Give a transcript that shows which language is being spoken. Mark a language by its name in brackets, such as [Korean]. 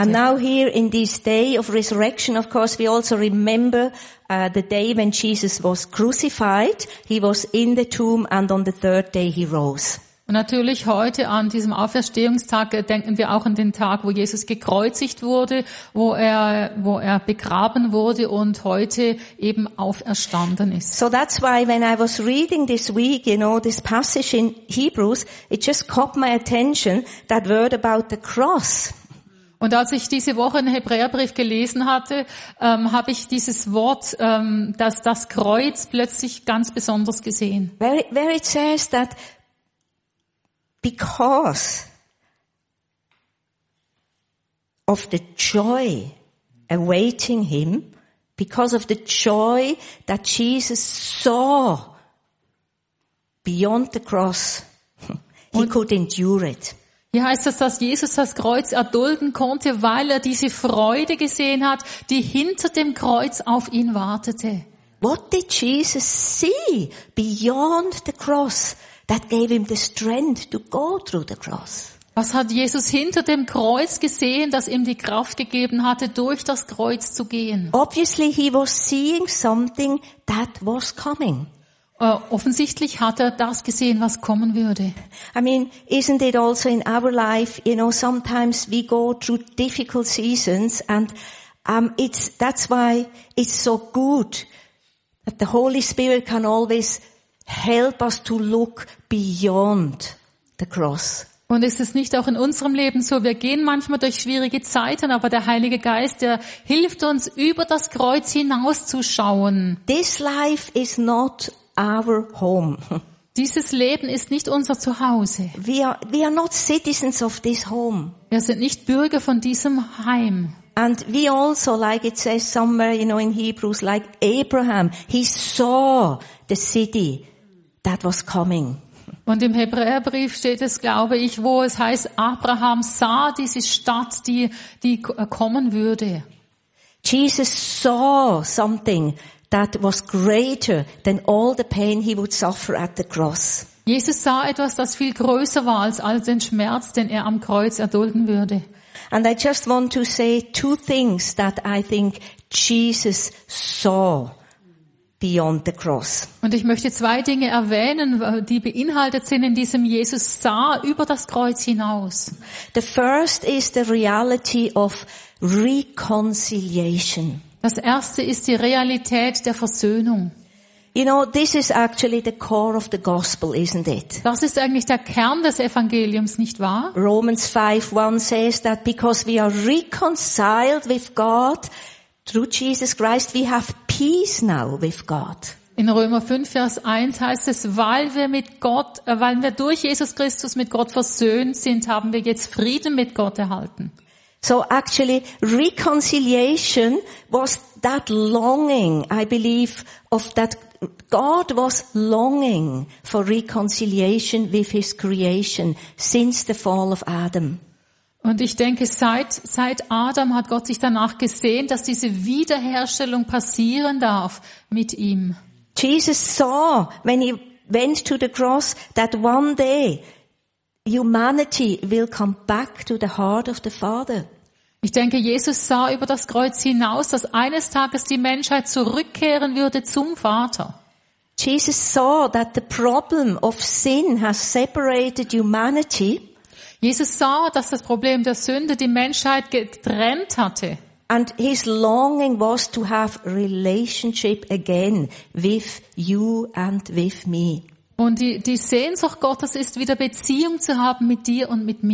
[English] And now here in this day of resurrection, of course, we also remember the day when Jesus was crucified. He was in the tomb and on the third day he rose. [German] Und natürlich heute an diesem Auferstehungstag denken wir auch an den Tag, wo Jesus gekreuzigt wurde, wo er begraben wurde und heute eben auferstanden ist. [English] So that's why when I was reading this week, you know, this passage in Hebrews, it just caught my attention, that word about the cross. [German] Und als ich diese Woche einen Hebräerbrief gelesen hatte, habe ich dieses Wort, das Kreuz, plötzlich ganz besonders gesehen. [English] Where it says that because of the joy awaiting him, because of the joy that Jesus saw beyond the cross, he could endure it. [German] Hier heißt es, dass Jesus das Kreuz erdulden konnte, weil er diese Freude gesehen hat, die hinter dem Kreuz auf ihn wartete. [English] What did Jesus see beyond the cross? That gave him the strength to go through the cross. [German] Was hat Jesus hinter dem Kreuz gesehen, das ihm die Kraft gegeben hatte, durch das Kreuz zu gehen? [English] Obviously he was seeing something that was coming. [German] Offensichtlich hat er das gesehen, was kommen würde. [English] I mean, isn't it also in our life, you know, sometimes we go through difficult seasons and that's why it's so good that the Holy Spirit can always help us to look beyond the cross. [German] Und ist es nicht auch in unserem Leben so? Wir gehen manchmal durch schwierige Zeiten, aber der Heilige Geist, der hilft uns, über das Kreuz hinauszuschauen. [English] This life is not our home. [German] Dieses Leben ist nicht unser Zuhause. [English] We are not citizens of this home. [German] Wir sind nicht Bürger von diesem Heim. [English] And we also, like it says somewhere, you know, in Hebrews, like Abraham, he saw the city that was coming. [German] Und im Hebräerbrief steht es, glaube ich, wo es heißt, Abraham sah diese Stadt, die kommen würde. [English] Jesus saw something that was greater than all the pain he would suffer at the cross. [German] Jesus sah etwas, das viel größer war als all den Schmerz, den er am Kreuz erdulden würde. [English] And I just want to say two things that I think Jesus saw beyond the cross. [German] Und ich möchte zwei Dinge erwähnen, die beinhaltet sind in diesem Jesus sah über das Kreuz hinaus. [English] The first is the reality of reconciliation. [German] Das erste ist die Realität der Versöhnung. [English] You know, this is actually the core of the gospel, isn't it? [German] Das ist eigentlich der Kern des Evangeliums, nicht wahr? [English] Romans 5:1 says that because we are reconciled with God through Jesus Christ, we have peace now with God. [German] In Römer 5, Vers 1 heißt es, weil wir durch Jesus Christus mit Gott versöhnt sind, haben wir jetzt Frieden mit Gott erhalten. [English] So actually, reconciliation was that longing, I believe, of that God was longing for reconciliation with his creation since the fall of Adam. [German] Und ich denke, seit Adam hat Gott sich danach gesehnt, dass diese Wiederherstellung passieren darf mit ihm. [English] Jesus saw when he went to the cross that one day humanity will come back to the heart of the Father. [German] Ich denke, Jesus sah über das Kreuz hinaus, dass eines Tages die Menschheit zurückkehren würde zum Vater. [English] Jesus saw that the problem of sin has separated humanity. [German] Jesus sah, dass das Problem der Sünde die Menschheit getrennt hatte. [English] And his longing was to have relationship again with you and with me. [German] Und die Sehnsucht Gottes ist, wieder Beziehung zu haben mit dir und mit mir.